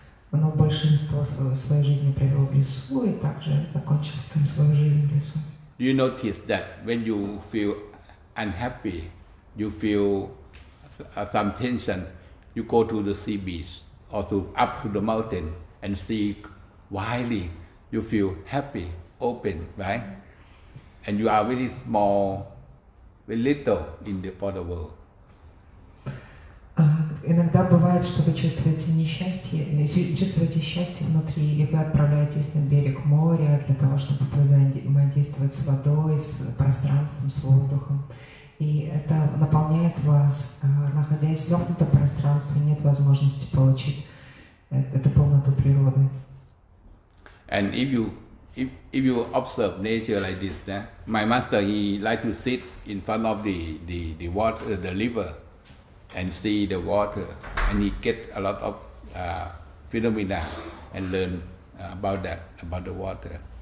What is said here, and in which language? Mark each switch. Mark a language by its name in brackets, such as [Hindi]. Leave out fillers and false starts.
[Russian] Но большинство своей жизни провел в лесу и также закончил там свою жизнь в лесу. [English] Do you notice that when you feel unhappy, you feel some tension, you go to the sea beach or to up to the mountain and see wildly, you feel happy, open, right? And you are really small, very little in the for the world. [Russian] Иногда бывает, что вы чувствуете несчастье, чувствуете счастье внутри, и вы отправляетесь на берег моря для того, чтобы взаимодействовать с водой, с пространством, с воздухом. И это наполняет вас, находясь в замкнутом пространстве, нет возможности получить эту полноту природы. [English] And if you observe nature like this, then my master, he like to sit in front of the water, the river, and see the water, and he get a lot of phenomena and learn about that, about the water.